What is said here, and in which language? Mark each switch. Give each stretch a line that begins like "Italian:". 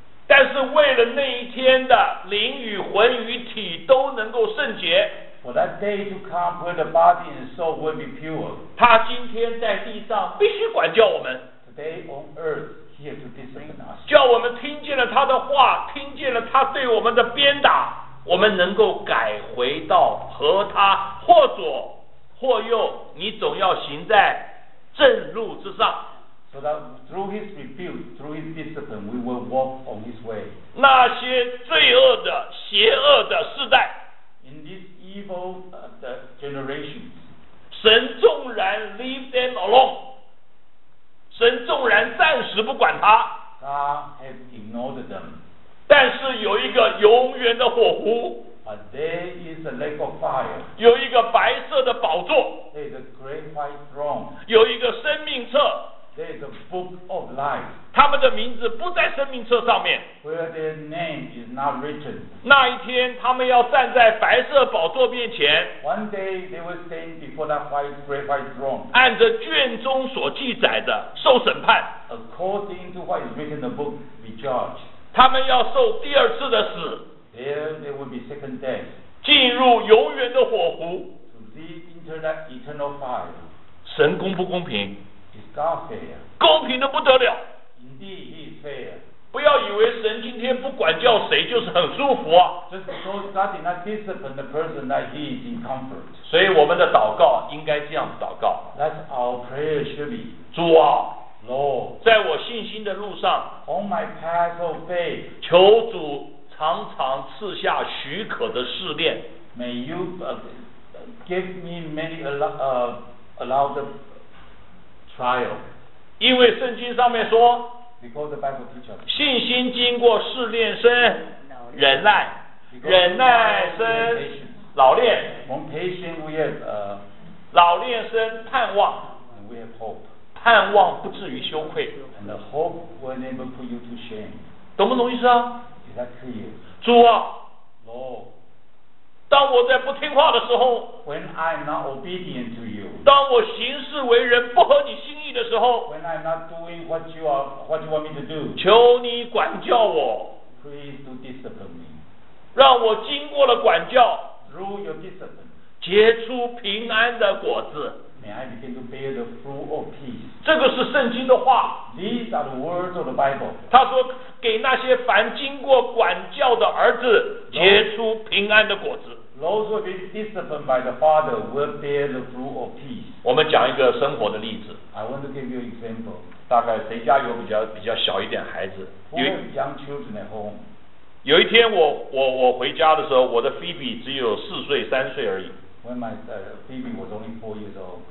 Chinese: 但是为了那一天的灵与魂与体都能够圣洁
English: For that day to come where the body and soul will be pure
Chinese: 他今天在地上必须管教我们
English: Today on earth he has to discipline us
Chinese: 叫我们听见了他的话听见了他对我们的鞭打我们能够改回到和他或左或右你总要行在正路之上
English: So that through his rebuke, through his discipline, we will walk on his way.
Chinese: 那些罪恶的、邪恶的世代
English: In this evil the generations,
Chinese: 神纵然
English: leave them alone,
Chinese: 神纵然暂时不管他
English: God has ignored them.
Chinese: 但是有一个永远的火湖
English: But there is a lake of fire.
Chinese: 有一个白色的宝座
English: There is a great white throne.
Chinese: 有一个生命册
English: There is a book of life.
Chinese: 他们的名字不在生命册上面。
English: Where their name is not written.
Chinese: 那一天，他们要站在白色宝座面前。
English: One day they will stand before that white, great white throne.
Chinese: 按着卷宗所记载的受审判。
English: According to what is written in the book, be judged.
Chinese: 他们要受第二次的死。
English: There they will be second death.
Chinese: 进入永远的火湖。
English: To lead into that eternal fire.
Chinese: 神公不公平？
English: Is God fair?
Chinese: 公平的不得了。
English: Indeed, he's fair.
Chinese: 不要以为神今天不管教谁就是很舒服啊。
English: Just because God did not discipline the person that he is in comfort.
Chinese: 所以我们的祷告应该这样祷告。
English: That's our prayer should be.
Chinese: 主啊。
English: Lord.
Chinese: 在我信心的路上。
English: On my path of faith.
Chinese: 求主常常赐下许可的试炼。
English: May you give me many allow the trial.
Chinese: 因为圣经上面说，
English: Because the Bible teaches,
Chinese: 信心经过试炼生忍耐，忍耐生老练，
English: From patient we have,
Chinese: 老练生盼望，
English: and we have hope.
Chinese: 盼望不至于羞愧，
English: and the hope will never put you to shame.
Chinese: 懂不懂意思啊？
English: Is that clear?
Chinese: 主啊，
English: Lord.
Chinese: 当我在不听话的时候，
English: When I'm not obedient to you,
Chinese: 当我行事为人不合你心意的时候，
English: When I'm not doing what you want me to do,
Chinese: 求你管教我，
English: Please do discipline me,
Chinese: 让我经过了管教，
English: Through your discipline,
Chinese: 结出平安的果子，
English: May I begin to bear the fruit of peace.
Chinese: 这个是圣经的话，
English: These are the words of the Bible.
Chinese: 他说给那些凡经过管教的儿子结出平安的果子。
English: Those who have been disciplined by the Father will bear the fruit of peace.
Chinese: 我们讲一个生活的例子。
English: I want to give you an example.
Chinese: 大概谁家有比较小一点孩子？
English: Who have young children at home?
Chinese: 有一天我回家的时候，我的 Phoebe 只有4岁3岁而已。
English: When my Phoebe was only 4 years old.